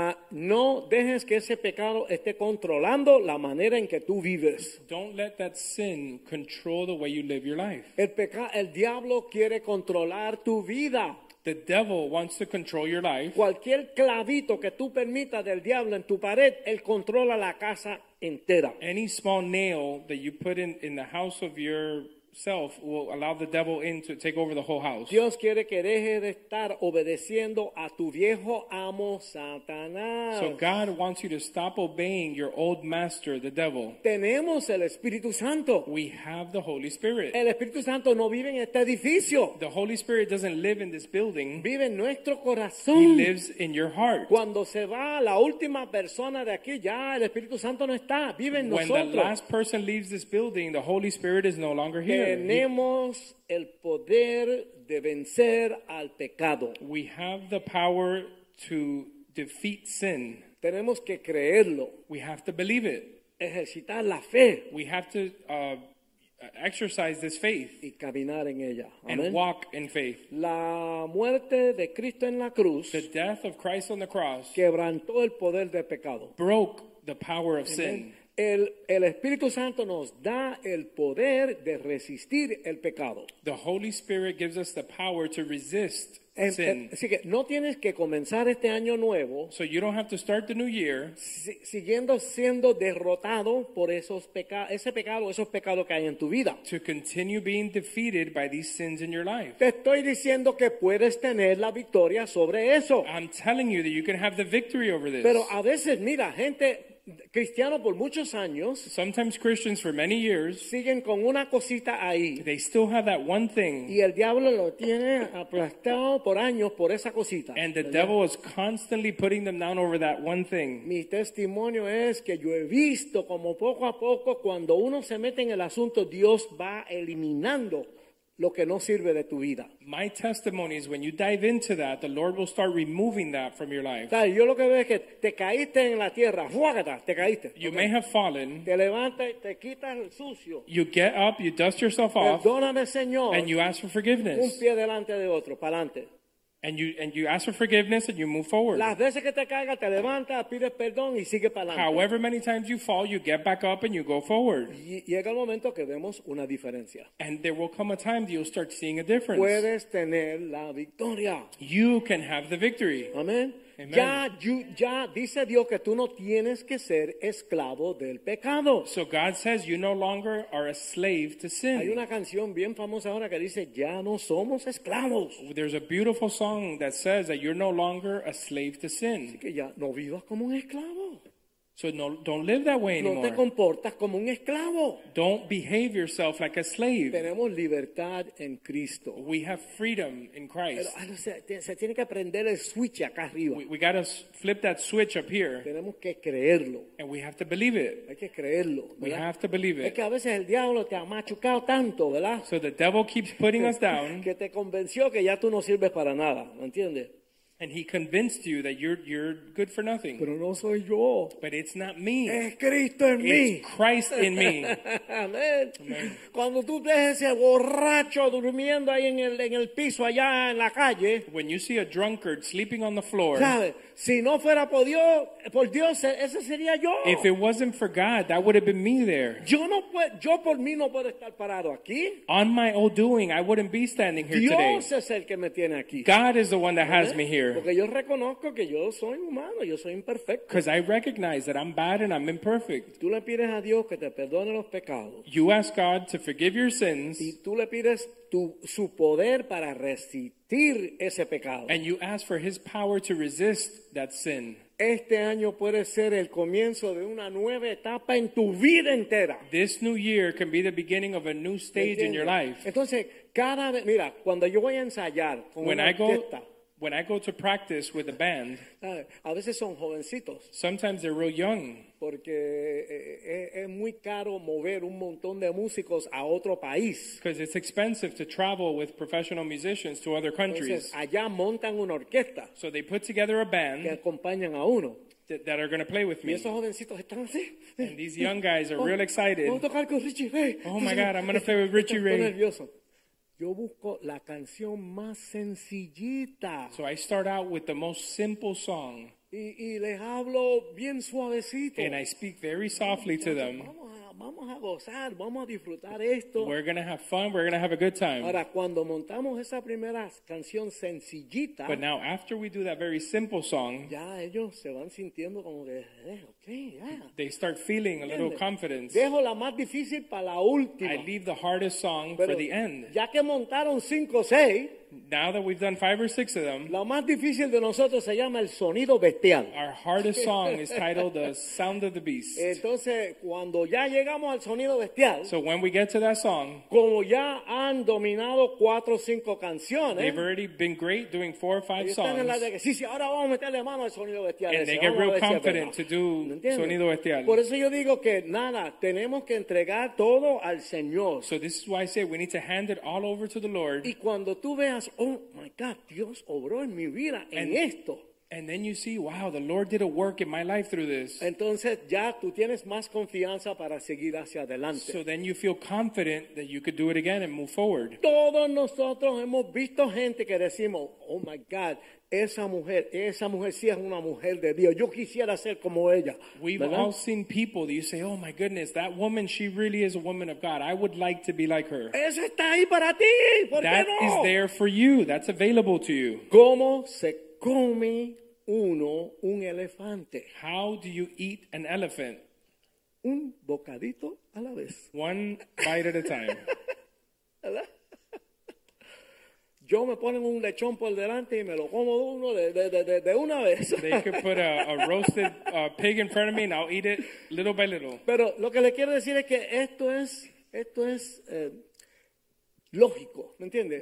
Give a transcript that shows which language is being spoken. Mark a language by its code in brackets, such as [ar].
[es] No dejes que ese pecado esté controlando la manera en que tú vives. [en] Don't let that sin control the way you live your life. [es] El diablo quiere controlar tu vida. [en] The devil wants to control your life. [es] Cualquier clavito que tú permitas del diablo en tu pared, él controla la casa entera. [en] Any small nail that you put in the house of yourself will allow the devil in to take over the whole house. [es] Dios quiere que dejes de estar obedeciendo a tu viejo amo Satanás. [en] So God wants you to stop obeying your old master, the devil. [es] Tenemos el Espíritu Santo. [en] We have the Holy Spirit. [es] El Espíritu Santo no vive en este edificio. [en] The Holy Spirit doesn't live in this building. [es] Vive en nuestro corazón. [en] He lives in your heart. [es] Cuando se va la última persona de aquí, ya el Espíritu Santo no está. Vive en [en] when [es] nosotros. [en] The last person leaves this building, the Holy Spirit is no longer here. [es] Tenemos el poder de vencer al pecado. [en] We have the power to defeat sin. [es] Tenemos que creerlo. [en] We have to believe it. [es] Ejercitar la fe. [en] We have to exercise this faith. [es] Y caminar en ella. [en] And Amen. Walk in faith. [es] La muerte de Cristo en la cruz. [en] The death of Christ on the cross. [es] Quebrantó el poder del pecado. [en] Broke the power of Amen. Sin. [es] El Espíritu Santo nos da el poder de resistir el pecado. [en] The Holy Spirit gives us the power to resist sin. [es] Así que no tienes que comenzar este año nuevo. [en] So you don't have to start the new year. [es] Siguiendo siendo derrotado por esos esos pecados que hay en tu vida. [en] To continue being defeated by these sins in your life. [es] Te estoy diciendo que puedes tener la victoria sobre eso. [en] I'm telling you that you can have the victory over this. [es] Pero a veces, mira, gente... Cristiano por muchos años. [en] Sometimes Christians for many years. [es] Siguen con una cosita ahí. [en] They still have that one thing. [es] Y el diablo lo tiene aplastado por años por esa cosita. [en] And the devil is constantly putting them down over that one thing. [es] Mi testimonio es que yo he visto como poco a poco cuando uno se mete en el asunto, Dios va eliminando lo que no sirve de tu vida. [en] My testimony is when you dive into that, the Lord will start removing that from your life. [es] Yo lo que veo es que te caíste en la tierra. Juágata, te caíste. [en] You may have fallen. [es] Te levantas y te quitas el sucio. [en] You get up, you dust yourself off. [es] Perdóname, Señor. [en] And you ask for forgiveness. [es] Un pie delante de otro, para adelante. [en] And you ask for forgiveness and you move forward. [es] Las veces que te caiga, te levanta, pide perdón y sigue para adelante. [en] However many times you fall, you get back up and you go forward. [es] Y llega el momento que vemos una diferencia. [en] And there will come a time that you'll start seeing a difference. [es] Puedes tener la victoria. [en] You can have the victory. Amen. Amen. [es] Ya dice Dios que tú no tienes que ser esclavo del pecado. [en] So God says you no longer are a slave to sin. [es] Hay una canción bien famosa ahora que dice ya no somos esclavos. [en] There's a beautiful song that says that you're no longer a slave to sin. [es] Así que ya no vivas como un esclavo. [en] So no, don't live that way anymore. [es] No te comportas como un esclavo. [en] Don't behave yourself like a slave. [es] Tenemos libertad en Cristo. [en] We have freedom in Christ. [es] Pero, se tiene que aprender el switch acá arriba. [en] We got to flip that switch up here. [es] Tenemos que creerlo. [en] And we have to believe it. [es] Hay que creerlo, ¿verdad? [en] We have to believe it. [es] Es que a veces el diablo te ha machucado tanto, ¿verdad? [en] So the devil keeps putting us down. [es] Que te convenció que ya tú no sirves para nada, ¿me entiendes? [en] And he convinced you that you're good for nothing. [es] Pero no soy yo. [en] But it's not me. [es] Es Cristo en [en] it's [es] mí. [en] Christ in me. Amen. [es] Cuando tú ves ese borracho durmiendo ahí en el piso allá en la calle. [en] When you see a drunkard sleeping on the floor. [es] ¿Sabe? Si no fuera por Dios, ese sería yo. [en] If it wasn't for God, that would have been me there. [es] Yo por mí no puedo estar parado aquí. [en] On my own doing, I wouldn't be standing here [es] Dios [en] today. [es] Dios es el que me tiene aquí. [en] God is the one that has me here. [es] Porque yo reconozco que yo soy humano, yo soy imperfecto. [en] Because I recognize that I'm bad and I'm imperfect. [es] Tú le pides a Dios que te perdone los pecados. [en] You ask God to forgive your sins. [es] Y tú le pides su poder para resistir ese pecado. [en] And you ask for his power to resist that sin. [es] Este año puede ser el comienzo de una nueva etapa en tu vida entera. [en] This new year can be the beginning of a new stage in your life. [es] Entonces, cada vez, mira, cuando yo voy a ensayar con una orquesta, [en] when I go to practice with a band, [es] a veces son jovencitos. [en] Sometimes they're real young. [es] Porque es muy caro mover un montón de músicos a otro país. [en] Because it's expensive to travel with professional musicians to other countries. [es] Entonces, allá montan una orquesta. [en] So they put together a band [es] que acompañan a uno. [en] That are going to play with me. [es] Y esos jovencitos están así. [en] And these young guys are real excited. [es] Voy a tocar con Richie Ray. [en] Oh my God, I'm going to play with Richie Ray. [es] Estoy nervioso. Yo busco la canción más sencillita. [en] So I start out with the most simple song. [es] Y les hablo bien suavecito. [en] And I speak very softly to them. [es] Vamos a gozar, vamos a disfrutar esto. [en] We're going to have fun, we're going to have a good time. [es] Ahora, cuando montamos esa primera canción sencillita. [en] But now, after we do that very simple song. [es] Ya ellos se van sintiendo como que, [en] okay, yeah. They start feeling [es] ¿entiendes? [en] A little confidence. [es] Dejo la más difícil para la última. [en] I leave the hardest song [es] pero [en] for the end. [es] Ya que montaron 5 [en] or [es] 6. [en] Now that we've done 5 or 6 of them. [es] La más difícil de nosotros se llama el sonido bestial. [en] Our hardest song is titled The Sound of the Beast. [es] Entonces, cuando ya llegamos al sonido bestial. [en] So when we get to that song. [es] Como ya han dominado 4 [en] or [es] 5 canciones. [en] They've already been great doing 4 or 5 songs. [es] Están en la de que, sí, ahora vamos a meterle mano al sonido bestial. [en] And [es] ese. [en] They [es] vamos [en] get real confident to do sonido bestial. [es] Por eso yo digo que, nada, tenemos que entregar todo al Señor. [en] So this is why I say we need to hand it all over to the Lord. [es] Y cuando tú veas, [en] oh my God, [es] Dios obró en mi vida en esto. [en] And then you see, wow, the Lord did a work in my life through this. [es] Entonces ya tú tienes más confianza para seguir hacia adelante. [en] So then you feel confident that you could do it again and move forward. [es] Todos nosotros hemos visto gente que decimos, [en] oh my God, [es] esa mujer sí es una mujer de Dios. Yo quisiera ser como ella. [en] We've [es] ¿verdad? [en] All seen people that you say, oh my goodness, that woman, she really is a woman of God. I would like to be like her. [es] Eso está ahí para ti. ¿Por [en] that [es] qué no? [en] Is there for you. That's available to you. [es] ¿Cómo se come uno un elefante? [en] How do you eat an elephant? [es] Un bocadito a la vez. [en] One bite at a time. [es] Yo me ponen un lechón por delante y me lo como uno de una vez. [en] They could put a roasted pig in front of me and I'll eat it little by little. [es] Pero lo que le quiero decir es que esto es lógico, ¿me entiendes?